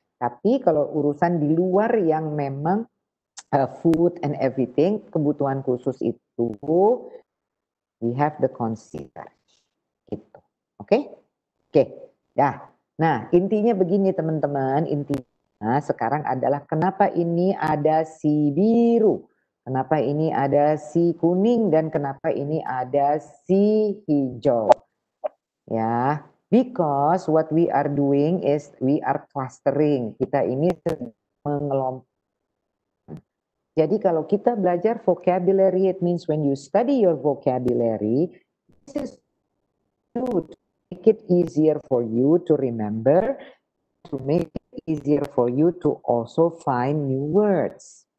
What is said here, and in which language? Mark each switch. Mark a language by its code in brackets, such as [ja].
[id] Tapi kalau urusan di luar yang memang [en] food and everything, [id] kebutuhan khusus itu, [en] we have the concierge [id] gitu. Oke. Nah intinya begini teman-teman, intinya sekarang adalah kenapa ini ada si biru, kenapa ini ada si kuning, dan kenapa ini ada si hijau. [en] Ya, because what we are doing is we are clustering. [id] Kita ini mengelompokkan. Jadi kalau kita belajar [en] vocabulary, it means when you study your vocabulary, this is to make it easier for you to remember, to make it easier for you to also find new words.